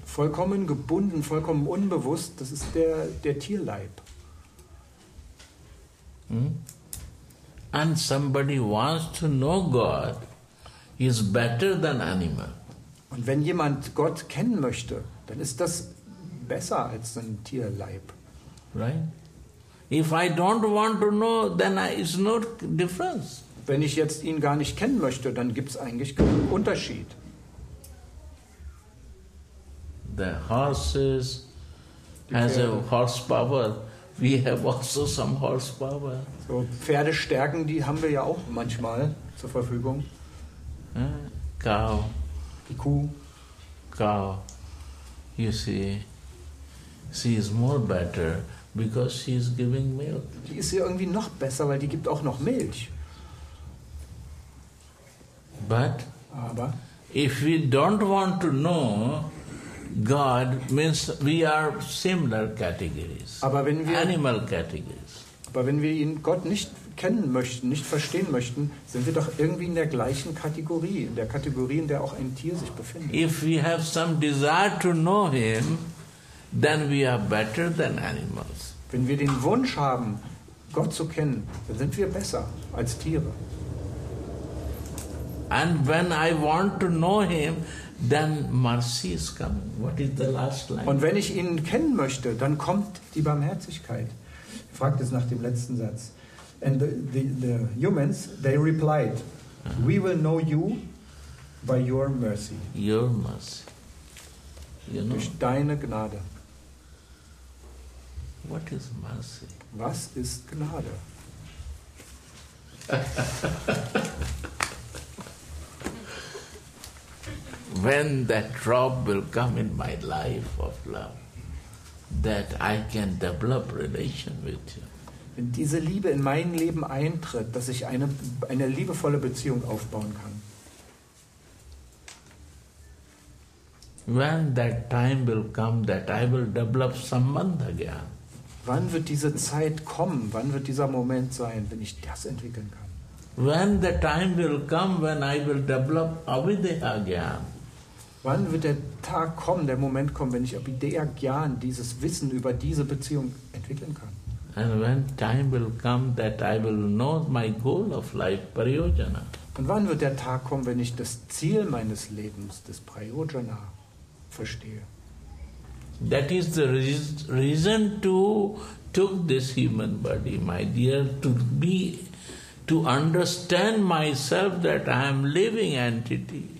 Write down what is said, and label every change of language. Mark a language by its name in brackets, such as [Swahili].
[German] Vollkommen gebunden, vollkommen unbewusst, das ist der Tierleib. [English] And somebody wants to know God is better than animal. [German] Und wenn jemand Gott kennen möchte, dann ist das besser als ein Tierleib. [English] Right? If I don't want to know, then it's no difference. [German] Wenn ich jetzt ihn gar nicht kennen möchte, dann gibt es eigentlich keinen Unterschied. [English] The horses has a horsepower. We have also some horsepower. [German] So Pferdestärken, die haben wir ja auch manchmal zur Verfügung. [English] Cow. [German] Die Kuh. [English] Cow. You see, she is more better because she is giving milk. [German] Die ist ja irgendwie noch besser, weil die gibt auch noch Milch. [English] But. [German] Aber. [English] If we don't want to know. God means we are similar categories. [German] Aber wenn wir [English] animal categories. [German] Aber wenn wir ihn Gott nicht kennen möchten, nicht verstehen möchten, sind wir doch irgendwie in der gleichen Kategorie, in der Kategorie, in der auch ein Tier sich befindet. [English] If we have some desire to know him, then we are better than animals. [German] Wenn wir den Wunsch haben, Gott zu kennen, dann sind wir besser als Tiere. [English] And when I want to know him, then mercy is coming. What is the last line? [German] Und wenn ich ihn kennen möchte, dann kommt die Barmherzigkeit. Er fragt es nach dem letzten Satz. [English] And the humans, they replied, We will know you by your mercy. Your mercy. You know. [German] Durch deine Gnade. [English] What is mercy? [German] Was ist Gnade? [English] When that drop will come in my life of love, that I can develop relation with you. [German] Wenn diese Liebe in mein Leben eintritt, dass ich eine liebevolle Beziehung aufbauen kann. [English] When that time will come, that I will develop sambandh again. [German] Wann wird diese Zeit kommen? Wann wird dieser Moment sein, wenn ich das entwickeln kann? [English] When the time will come, when I will develop avideha again. [German] Wann wird der Tag kommen, der Moment kommen, wenn ich Abhidaya Gyan, dieses Wissen über diese Beziehung entwickeln kann? [English] And when time will come that I will know my goal of life, Prayojana. [German] Und wann wird der Tag kommen, wenn ich das Ziel meines Lebens, das Prayojana, verstehe? [English] That is the reason to took this human body, my dear, to understand myself that I am living entity.